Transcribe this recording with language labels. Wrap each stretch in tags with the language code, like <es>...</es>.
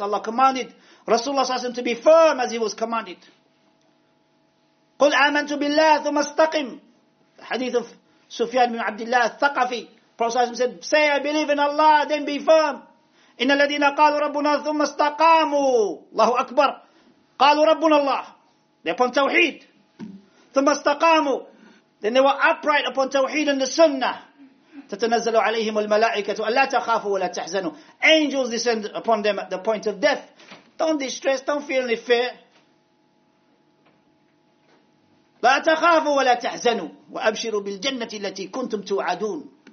<en>Allah commanded Rasulullah sallallahu alayhi wa sallam to be firm as he was commanded.</en> <ar>قُلْ آمَنْتُ بِاللَّهِ ثُمَّ اسْتَقِمْ.</ar> <en>Hadith of Sufyan bin Abdullah al-Thaqafi. Prophet said, "Say, I believe in Allah, then be firm."</en> <ar>إِنَّ الَّذِينَ قَالُوا رَبُّنَا ثُمَّ اسْتَقَامُوا. Allahu Akbar. قَالُوا رَبُّنَا اللَّهُ.</ar> <en>They're upon Tawheed.</en> <ar>ثُمَّ اسْتَقَامُوا.</ar> <en>Then they were upright upon Tawheed and the Sunnah.</en> <ar>تَتَنَزَّلُ عَلَيْهِمُ الْمَلَائِكَةُ أَلَّا تَخَافُوا وَلَا تَحْزَنُوا.</ar> <en>Angels descend upon them at the point of death. Don't distress, don't feel any fear.</en> <ar>لَا تَخَافُوا وَلَا تَحْزَنُوا وَأَبْشِرُوا بِالْجَنَّةِ الَّتِي كُنْتُمْ تُوعَدُونَ.</ar>